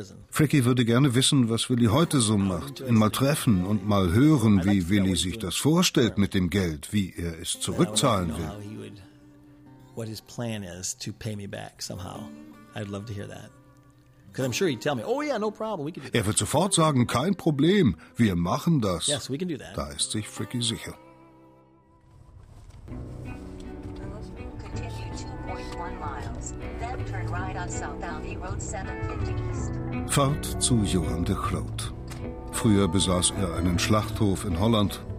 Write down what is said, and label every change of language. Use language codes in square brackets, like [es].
[de] Fricky würde gerne wissen, was Willi heute so macht. Ihn mal treffen und mal hören, wie Willi sich das vorstellt mit dem Geld, wie er es zurückzahlen will. [en] What his plan is to pay me back somehow. I'd love to hear that. Because I'm sure he'd tell me, oh yeah, no problem, we can do that. [de] Er wird sofort sagen, kein Problem, wir machen das. [en] Yes, we can do that. [de] Da ist sich Fricky sicher. Fahrt zu Johan de Groot. Früher besaß er einen Schlachthof in Holland.